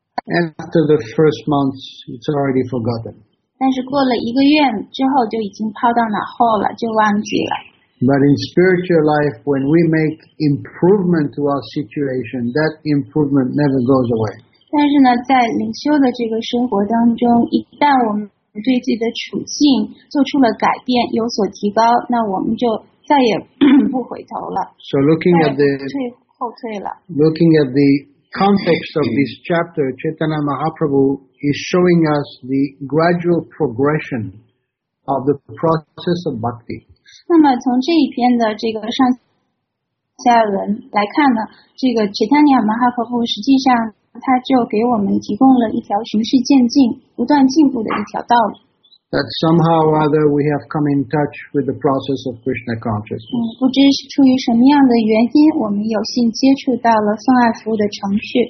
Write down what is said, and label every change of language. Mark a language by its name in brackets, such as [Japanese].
[English] And after the first month, it's already forgotten. [Chinese] 但是过了一个月之后就已经抛到脑后了，就忘记了。 [English] But in spiritual life, when we make improvement to our situation, that improvement never goes away. [Chinese] 但是呢，在灵修的这个生活当中，一旦我们对自己的处境做出了改变，有所提高，那我们就再也不回头了。 [English] So looking at the [Chinese] 退后退了。 [English] Looking at the context of this chapter, Chaitanya Mahaprabhu is showing us the gradual progression of the process of bhakti. [Chinese] 那么从这一篇的这个上下文来看呢，这个 Chaitanya Mahaprabhu 实际上他就给我们提供了一条循序渐进、不断进步的一条道路。 [English] That somehow or other we have come in touch with the process of Krishna consciousness. [Chinese] 不知是出于什么样的原因，我们有幸接触到了奉爱服务的程序。